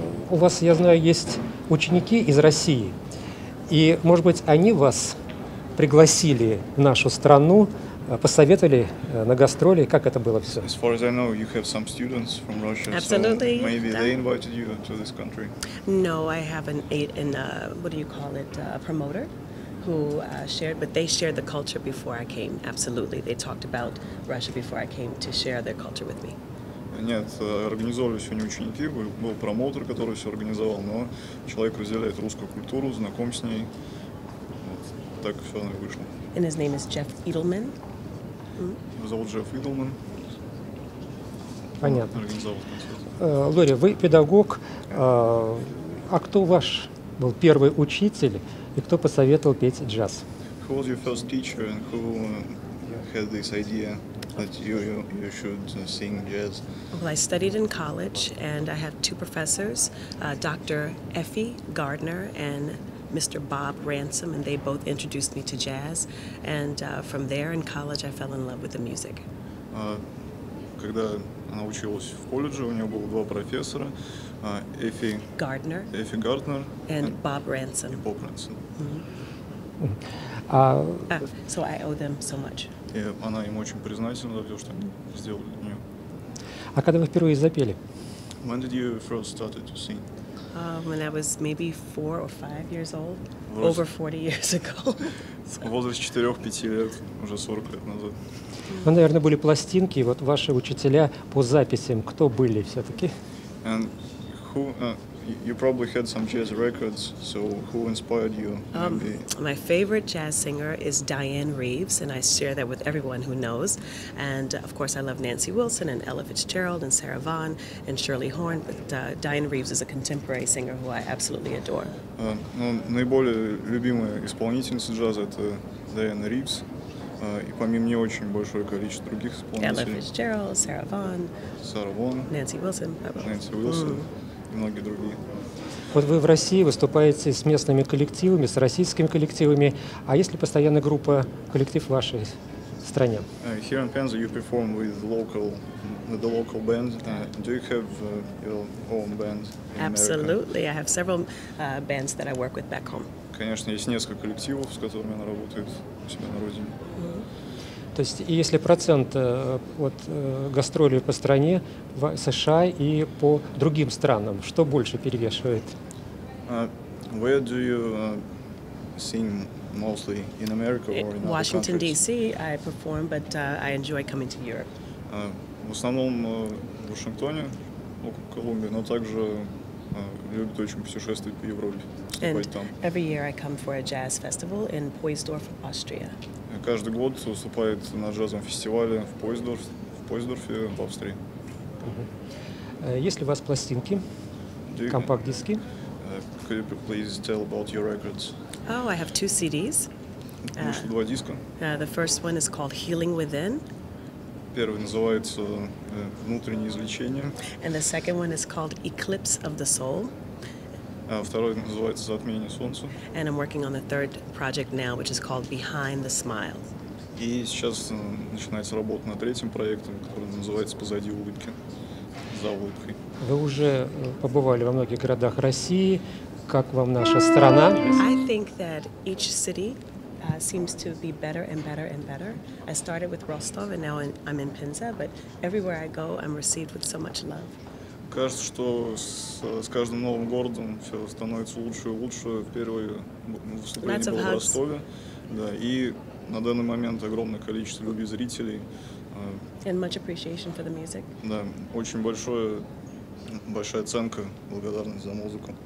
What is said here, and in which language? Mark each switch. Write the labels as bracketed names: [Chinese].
[Russian] У вас, я знаю, есть ученики из России. И, может быть, они вас пригласили в нашу страну, посоветовали на гастроли, как это было все? [English] As far as I know, you have some students from Russia. Absolutely. So maybe they invited you to this country. No, I have a promoter who shared, but they shared the culture before I came. Absolutely. They talked about Russia before I came to share their culture with me. [Russian] Нет, организовали все не ученики, был промоутер, который все организовал, но человек разделяет русскую культуру, знаком с ней. Вот, так все оно и вышло. [English] And his name is Jeff Edelman. [Russian] Его зовут Джефф Идлман. Понятно. Организовал концерт. Лори, вы педагог. А кто ваш был первый учитель и кто посоветовал петь джаз? [English] Who was your first teacher and who had this idea that you should sing jazz? Well, I studied in college and I have two professors, Dr. Effie Gardner and Mr. Bob Ransom, and they both introduced me to jazz, and from there in college I fell in love with the music. [Russian] Когда она училась в колледже, у нее было два профессора, Эфи Гарднер [English] and Bob Ransom. Bob Ransom. So I owe them so much. [Russian] И она им очень признательна за то, что они сделали для нее. А когда вы впервые запели? [English] When did you first started to sing? When I was maybe 4 or 5 years old, over 40 years ago. [Russian] В возрасте 4-5 лет, уже 40 лет назад. Вы, наверное, были пластинки, и вот ваши учителя по записям, кто были все-таки? [English] And who, you probably had some jazz records, so who inspired you? My favorite jazz singer is Diane Reeves, and I share that with everyone who knows. And of course, I love Nancy Wilson and Ella Fitzgerald and Sarah Vaughan and Shirley Horn. But Diane Reeves is a contemporary singer who I absolutely adore. [Russian] Наиболее любимая исполнительница джаза это Diane Reeves, и помимо нее очень большое количество других исполнителей. Ella Fitzgerald, Sarah Vaughan, Nancy Wilson. И многие другие. Вот вы в России выступаете с местными коллективами, с российскими коллективами. А есть ли постоянная группа, коллектив в вашей стране? [English] Here in Penza you perform with the local band. Do you have your own band in America? Absolutely. I have several bands that I work with back home. [Russian] Конечно, есть несколько коллективов, с которыми она работает у себя на родине. То есть, если процент от гастролей по стране, в США и по другим странам, что больше перевешивает? [English] Where do you sing mostly in America or in other countries? Washington D.C. I perform, but I enjoy coming to Europe. [Russian] В основном в Вашингтоне, около Колумбии, но также любит очень путешествовать по Европе, [English] And [Russian] там. [English] Every year I come for a jazz festival in Poisdorf, Austria. [Russian] Каждый год выступает на джазовом фестивале в Пойсдорфе, в Австрии. Есть ли у вас пластинки, компакт-диски? [English] Could you please tell about your records? Oh, I have two CDs. [Russian] Два диска. [English] The first one is called Healing Within. [Russian] Первый называется Внутреннее излечение. [English] And the second one is called Eclipse of the Soul. [Russian] Второй называется «Затмение солнца». [English] And I'm working on the third project now, which is called «Behind the Smile». [Russian] И сейчас начинается работа над третьим проектом, который называется «Позади улыбки», «За улыбкой». Вы уже побывали во многих городах России. Как вам наша страна? [English] I think that each city seems to be better and better and better. I started with Ростов, and now I'm in Пенза, but everywhere I go, I'm received with so much love. [Russian] Кажется, что с каждым новым городом все становится лучше и лучше. Первое выступление было в Ростове. Да, и на данный момент огромное количество любви зрителей. [English] And much appreciation for the music. [Russian] Да, очень большая оценка, благодарность за музыку.